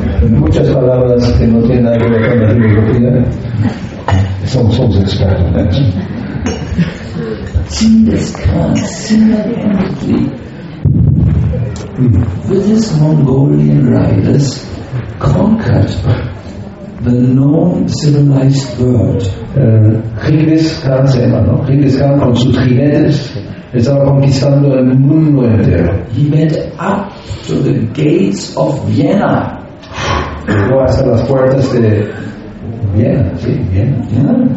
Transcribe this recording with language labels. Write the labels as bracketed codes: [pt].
[es] Muchas palabras que no tienen nada que ver con la filosofía. Somos expertos en eso. [en] Genghis Khan, similarly, with his Mongolian riders, conquered the known civilized world. [es] Genghis Khan se llama, ¿no? Genghis Khan con sus jinetes estaba conquistando el mundo entero. [en] He went up to the gates of Vienna. [es] Llegó hasta las puertas de Viena, sí, Viena.